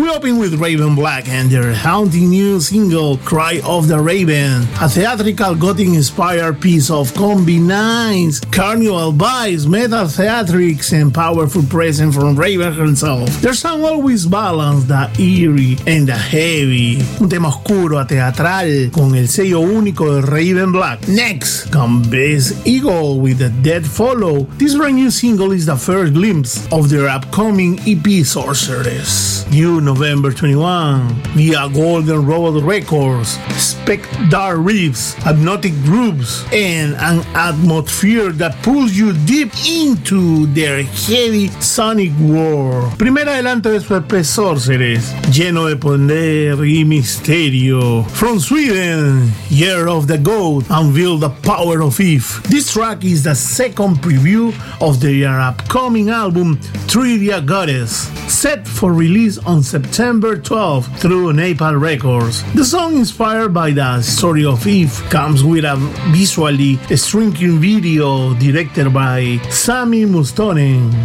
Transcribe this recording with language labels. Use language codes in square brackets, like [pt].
[en] We open with Raven Black and their haunting new single, Cry of the Raven, a theatrical gothic-inspired piece of combines carnival vibes, metal theatrics, and powerful presence from Raven herself. Their sound always balanced the eerie and the heavy. [es] Un tema oscuro a teatral con el sello único de Raven Black. [en] Next, come Biz Eagle with The Dead Follow. This brand new single is the first glimpse of their upcoming EP Sorceress. New November 21, via Golden Robot Records, Spec Dark Riffs, Hypnotic Grooves, and an atmosphere that pulls you deep into their heavy sonic world. [es] Primer adelanto de su EP Sorceress, lleno de poder y misterio. [en] From Sweden, Year of the Goat unveiled the power of Eve. This track is the second preview of their upcoming album, Trivia Goddess, set for release on September 12th through Napalm Records. The song, inspired by the story of Eve, comes with a visually striking video directed by Sami Mustonen.